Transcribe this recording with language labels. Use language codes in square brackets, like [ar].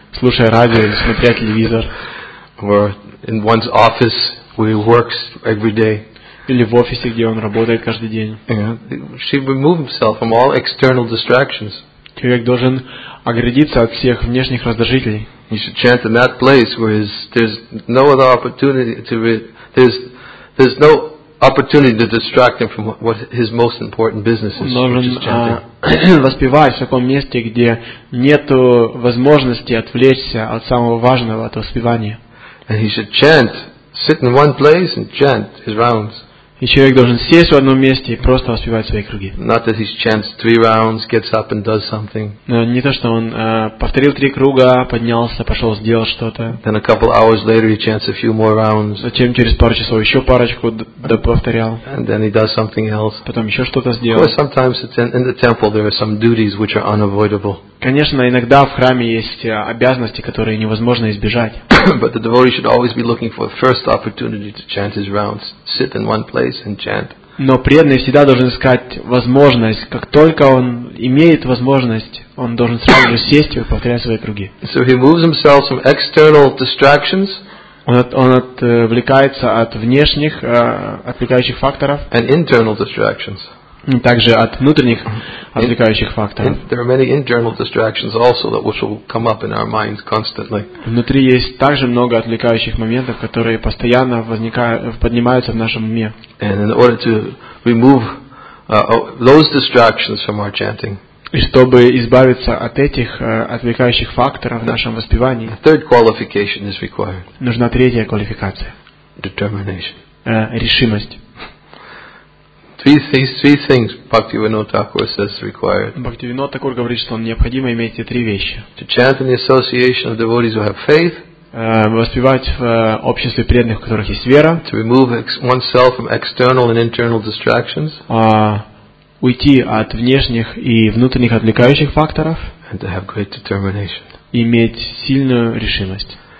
[ru] слушая радио или смотря телевизор, [en] or in one's office where he works every day, [ru] или в офисе, где он работает каждый день. [en] Should remove himself from all external distractions. [ru] Человек должен оградиться от всех внешних раздражителей. [en] He should chant in that place where there's no other opportunity to there's no opportunity to distract him from what his most important business is. [ru] Должен воспевать в таком месте, где нету возможности отвлечься от самого важного, от воспевания. [en] And he should chant, sit in one place and chant his rounds. [ru] И человек должен сесть в одном месте и просто воспевать свои круги. [en] Not that he chants three rounds, gets up and does something. [ru] Не то, что он повторил три круга, поднялся, пошел, сделал что-то. [en] Then a couple hours later he chants a few more rounds. [ru] Затем через пару часов еще парочку повторял. [en] And then he does something else. [ru] Потом еще что-то сделал. [en] Of course, sometimes in the temple there are some duties which are unavoidable. [ru] Конечно, иногда в храме есть обязанности, которые невозможно избежать. [en] But the devotee should always be looking for the first opportunity to chant his rounds, sit in one place and chant. [ru] Но преданный всегда должен искать возможность, как только он имеет возможность, он должен сразу же сесть и повторять свои круги. [en] So he moves himself from external distractions. [ru] Он отвлекается от внешних отвлекающих факторов. [en] And internal distractions. [ru] Также от внутренних отвлекающих факторов. [en] There are many internal distractions also that which will come up in our minds constantly. [ru] Внутри есть также много отвлекающих моментов, которые постоянно возникают, поднимаются в нашем уме. [en] And in order to remove those distractions from our chanting. [ru] И чтобы избавиться от этих отвлекающих факторов в нашем воспевании. [en] Third qualification is required. [ru] Нужна третья квалификация. [en] Determination. [ru] Решимость. [en] Three things Bhaktivinoda Thakur says required. [ru] Bhaktivinoda Thakur говорит, что необходимо иметь эти три вещи. [en] To chant in the association of devotees who have faith. [ru] Воспевать в обществе преданных, у которых есть вера. [en] To remove oneself from external and internal distractions. [ru] Уйти от внешних и внутренних отвлекающих факторов. [en] And to have great determination. [ru] Иметь сильную решимость.